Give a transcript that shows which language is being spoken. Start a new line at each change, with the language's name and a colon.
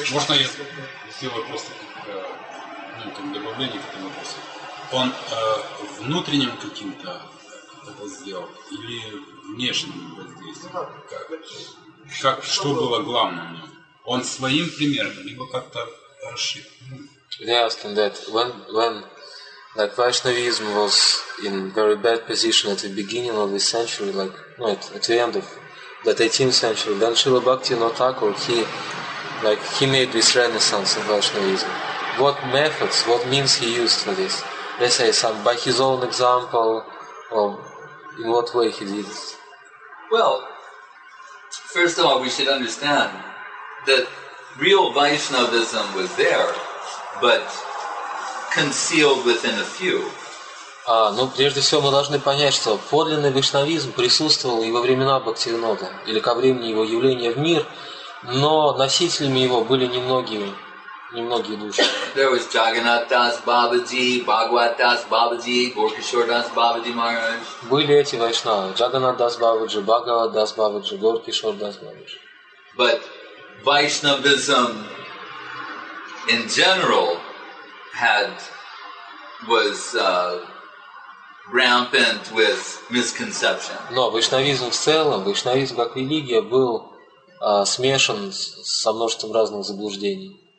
Russian: Можно я сделаю просто как добавление к этому вопросу? Он внутренним каким-то это сделал или внешним воздействием? Что было главным в нем? Он своим примером либо как-то расширил?
English: Я asking that when like Vaishnavism was in very bad position at the beginning of this century, at the end of that 18th century, then Srila Bhaktivinoda Thakur, he made this renaissance of Vaishnavism. What methods, what means he used for this? Let's say some by his own example, or in what way he did it? Well, first of all, we should understand that real Vaishnavism was there, but concealed within a few.
Russian: Прежде всего, мы должны понять, что подлинный вайшнавизм присутствовал и во времена Бхактивинода, или ко времени его явления в мир, но носителями его были немногие души.
English: There was Jagannath Das Babaji, Bhagwat Das Babaji, Gorkishore Das Babaji Maharaj.
Russian: Были эти вайшнавы: Jagannath Das Babaji, Bhagwat Das Babaji, Gorkishore Das Babaji.
English: But Vaishnavism in general was rampant with misconception.
Russian: Но вайшнавизм в целом, вайшнавизм как религия, был смешан со множеством разных заблуждений.